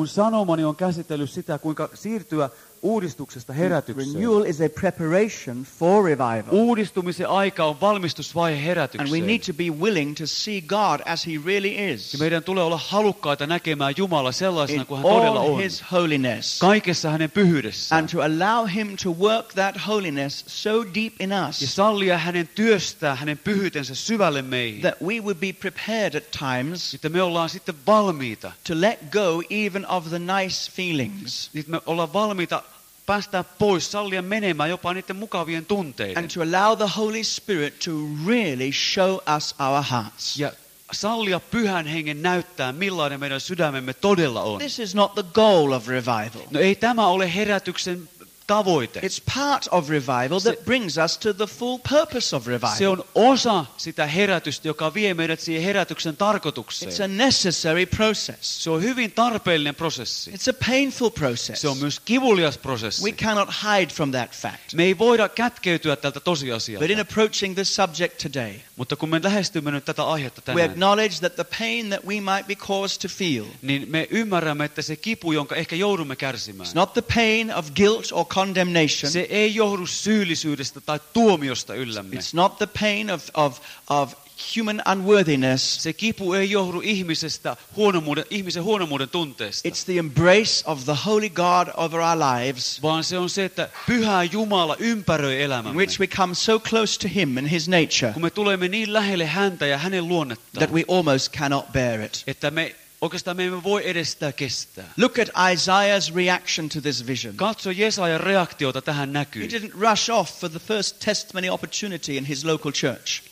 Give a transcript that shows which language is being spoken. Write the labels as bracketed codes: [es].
[fi] Mun sanomani on käsitellyt sitä, kuinka siirtyä uudistuksesta herätykseen. [en] Renewal is a preparation for revival. [fi] Uudistumisen aika on valmistusvaihe herätykseen. [en] And we need to be willing to see God as he really is. [fi] Ja meidän tulee olla halukkaita näkemään Jumala sellaisena kuin hän todella on. [en] All his holiness. [fi] Kaikessa hänen pyhyydessään. [en] And to allow him to work that holiness so deep in us. [fi] Ja sallia hänen työstää hänen pyhyytensä syvälle meihin. [en] That we would be prepared at times. [fi] Että me ollaan sitten valmiita. [en] To let go even of the nice feelings. [fi] Että me ollaan valmiita päästää pois, sallia menemään jopa niiden mukavien tunteiden. [en] And to allow the Holy Spirit to really show us our hearts. [fi] Ja sallia Pyhän Hengen näyttää, millainen meidän sydämemme todella on. [en] This is not the goal of revival. [fi] No ei tämä ole herätyksen tavoite. [en] It's part of revival that brings us to the full purpose of revival. [fi] Se on osa sitä herätystä, joka vie meidät siihen herätyksen tarkoitukseen. [en] It's a necessary process. [fi] Se on hyvin tarpeellinen prosessi. [en] It's a painful process. [fi] Se on myös kivulias prosessi. [en] We cannot hide from that fact. [fi] Me ei voida kätkeytyä tältä tosiasialta. [en] But in approaching this subject today, [fi] mutta kun me lähestymme nyt tätä aihetta tänään, [en] we acknowledge that the pain that we might be caused to feel, [fi] niin me ymmärrämme, että se kipu, jonka ehkä joudumme kärsimään, [en] it's not the pain of guilt or condemnation. [fi] Se ei johdu syyllisyydestä tai tuomiosta yllämme. [en] It's not the pain of human unworthiness. [fi] Se kipu ei johdu ihmisen huonomuuden tunteesta. [en] It's the embrace of the holy God over our lives. [fi] Vaan se on se, että pyhä Jumala ympäröi elämämme. [en] In which we come so close to him and his nature. [fi] Kun me tulemme niin lähelle häntä ja hänen luonnettaan. [en] That we almost cannot bear it. [fi] Että me oikeastaan me emme voi edes sitä kestää. [en] Look at Isaiah's reaction to this vision. [fi] Katso Jesajan reaktiota tähän näkyyn. [en] He didn't rush off for the first testimony opportunity in his local church.